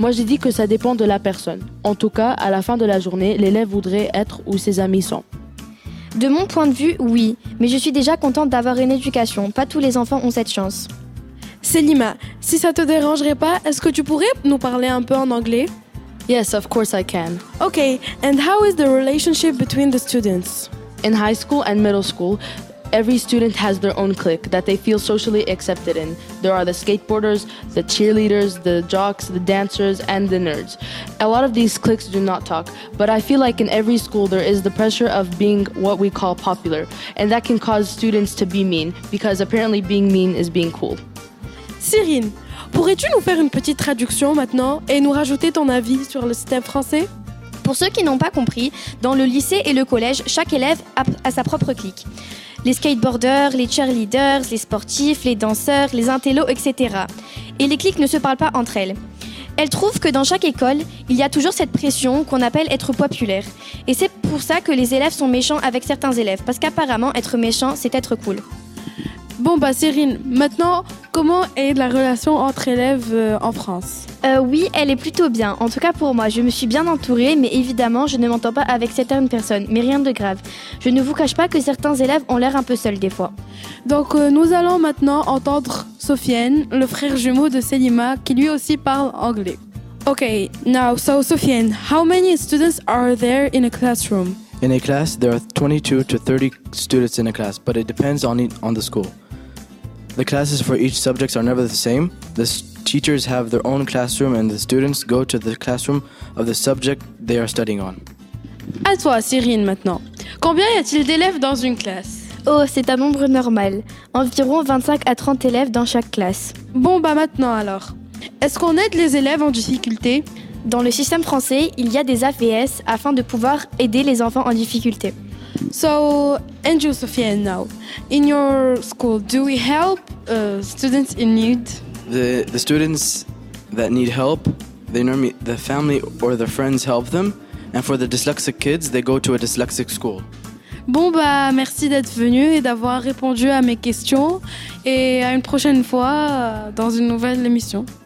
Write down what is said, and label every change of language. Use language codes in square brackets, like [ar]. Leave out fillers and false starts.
[fr] Moi, j'ai dit que ça dépend de la personne. En tout cas, à la fin de la journée, l'élève voudrait être où ses amis sont. De mon point de vue, oui. Mais je suis déjà contente d'avoir une éducation. Pas tous les enfants ont cette chance. Selima, si ça te dérangerait pas, est-ce que tu pourrais nous parler un peu en anglais? [en] Yes, of course I can. Okay, and how is the relationship between the students? In high school and middle school, every student has their own clique that they feel socially accepted in. There are the skateboarders, the cheerleaders, the jocks, the dancers, and the nerds. A lot of these cliques do not talk, but I feel like in every school there is the pressure of being what we call popular, and that can cause students to be mean, because apparently being mean is being cool. [fr] Cyrine, pourrais-tu nous faire une petite traduction maintenant et nous rajouter ton avis sur le système français ? Pour ceux qui n'ont pas compris, dans le lycée et le collège, chaque élève a sa propre clique. Les skateboarders, les cheerleaders, les sportifs, les danseurs, les intellos, etc. Et les cliques ne se parlent pas entre elles. Elles trouvent que dans chaque école, il y a toujours cette pression qu'on appelle être populaire. Et c'est pour ça que les élèves sont méchants avec certains élèves, parce qu'apparemment, être méchant, c'est être cool. Bon bah Cyrine, maintenant, comment est la relation entre élèves en France ? Oui, elle est plutôt bien. En tout cas pour moi, je me suis bien entourée, mais évidemment, je ne m'entends pas avec certaines personnes. Mais rien de grave. Je ne vous cache pas que certains élèves ont l'air un peu seuls des fois. Donc nous allons maintenant entendre Sofiane, le frère jumeau de Selima, qui lui aussi parle anglais. [en] Okay, now, so Sofiane, how many students are there in a classroom ? In a class, there are 22 to 30 students in a class, but it depends on the school. The classes for each subject are never the same. The teachers have their own classroom and the students go to the classroom of the subject they are studying on. [fr] À toi, Cyrine, maintenant. Combien y a-t-il d'élèves dans une classe ? Oh, c'est un nombre normal. Environ 25 à 30 élèves dans chaque classe. Bon, bah maintenant alors. Est-ce qu'on aide les élèves en difficulté ? Dans le système français, il y a des AVS afin de pouvoir aider les enfants en difficulté. [en] So, Andrew Sofiane now, in your school, do we help students in need? The students that need help, they normally, the family or their friends help them, And for the dyslexic kids, they go to a dyslexic school. [fr] Bon, bah, merci d'être venu et d'avoir répondu à mes questions. Et à une prochaine fois, dans une nouvelle émission.